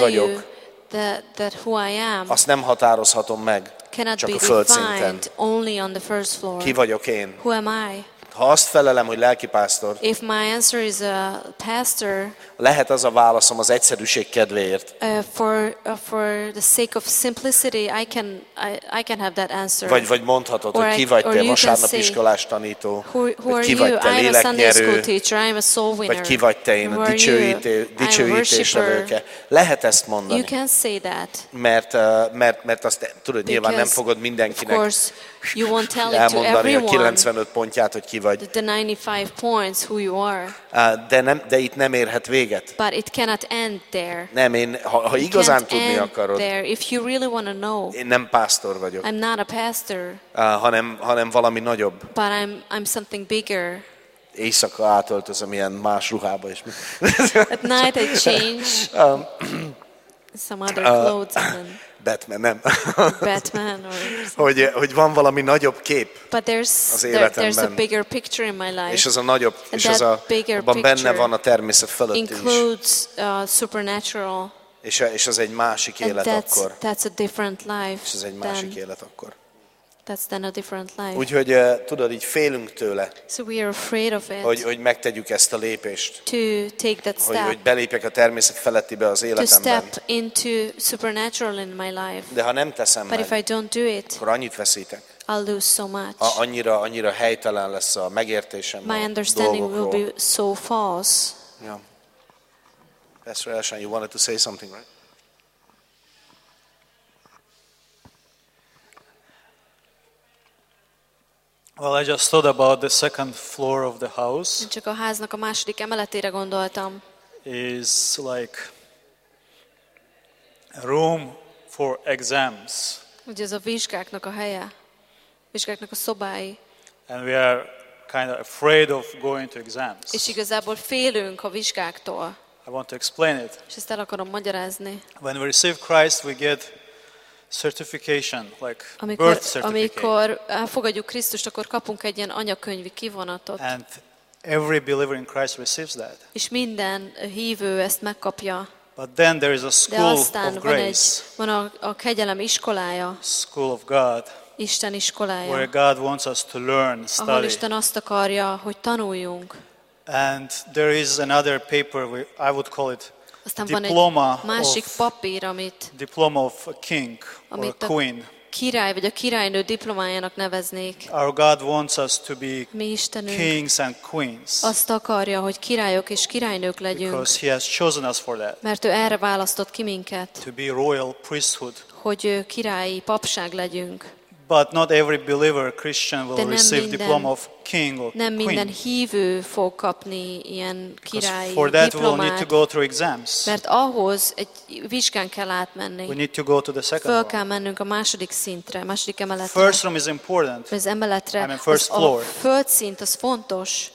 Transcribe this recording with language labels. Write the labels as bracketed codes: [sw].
[hu] vagyok, [en] that who I am, [hu] azt nem határozhatom meg, csak [en] be [hu] a földszinten. [en] Only on the first floor. [hu] Ki vagyok én? [en] Who am I? [hu] Ha azt felelem, hogy lelkipásztor, [en] if my answer is a pastor, [hu] lehet az a válaszom az egyszerűség kedvéért. [en] For the sake of simplicity, I can have that answer. [hu] Vagy mondhatod, hogy ki vagy te vasárnap iskolás tanító, vagy ki vagy te léleknyerő, vagy ki vagy te én a dicsőítés levőke. Lehet ezt mondani. [en] You can say that. [hu] Mert azt tudod, [en] because [hu] nyilván nem fogod mindenkinek [en] you won't tell it [hu] elmondani [en] to everyone, [hu] a 95 pontját, hogy ki vagy. [en] The 95 points who you are. [hu] De itt nem érhet véget. [en] But it cannot end there. [hu] Nem, én, ha igazán tudni akarod. [en] There, if you really want to know. [hu] Én nem pásztor vagyok. [en] I'm not a pastor. [hu] Hanem valami nagyobb. [en] But I'm something bigger. [hu] Éjszaka átöltözöm ilyen más ruhába is. [en] At night I change some other clothes and then [hu] Batman, nem. [en] Batman or [hu] hogy van valami nagyobb kép [en] but there's, [hu] az életemben. [en] There's a bigger picture in my life. [hu] És az a nagyobb, és az abban benne van a természet fölött [en] includes, [hu] is. [en] Supernatural. [hu] És az egy másik [en] and [hu] élet [en] that's, [hu] akkor. [en] That's a different life. [hu] És az egy másik élet akkor. [en] That's then a different life. [hu] Úgyhogy tudod, így félünk tőle. [en] So we are afraid of it. [hu] Hogy megtegyük ezt a lépést. [en] To take that step. [hu] Hogy belépjek a természet felettibe az életemben. [en] To step into supernatural in my life. [hu] De ha nem teszem [en] but [hu] meg, [en] if I don't do it, [hu] akkor annyit veszítek. [en] I'll lose so much. [hu] Annyira helytelen lesz a megértésem. [en] My understanding will be so false. Yeah. Pastor Elshan, you wanted to say something, right? Well, I just thought about the second floor of the house. [hu] Én csak a háznak a második emeletére gondoltam. [en] Is like a room for exams. [hu] Ugye ez a vizsgáknak a helye. Vizsgáknak a szobái. [en] And we are kind of afraid of going to exams. [hu] És igazából félünk a vizsgáktól. [en] I want to explain it. [hu] És ezt el akarom magyarázni. [en] When we receive Christ, we get certification, like [hu] amikor, [en] birth certificate. [hu] Amikor elfogadjuk Krisztust, akkor kapunk egy ilyen anyakönyvi kivonatot. [en] And every believer in Christ receives that. [hu] És minden hívő ezt megkapja. [en] But then there is a school [hu] de aztán [en] of grace. [hu] Van a kegyelem iskolája. [en] School of God. [hu] Isten iskolája. [en] Where God wants us to learn, study. [hu] Ahol Isten azt akarja, hogy tanuljunk. [en] And there is another paper, I would call it [hu] aztán [en] diploma [hu] van egy másik [en] of, [hu] papír, amit [en] diploma of a king or a queen. [hu] király vagy a királynő diplomájának neveznék. [en] Our God wants us to be kings and queens. [hu] Azt akarja, hogy királyok és királynők legyünk. [en] Because he has chosen us for that. [hu] Mert ő erre választott ki minket. [en] To be royal priesthood. [hu] Hogy királyi papság legyünk. [en] But not every believer Christian will receive diploma of king or queen. [hu] Nem minden hívő fog kapni ilyen királyi diplomát. [en] For that we'll need to go through exams. [hu] Mert ahhoz egy vizsgán kell átmenni. [en] We need to go to the second floor. [hu] Föl kell mennünk a második szintre, második emeletre. [en] First room is important. [hu] Az emeletre. [en] I mean first floor. [hu] A földszint az fontos.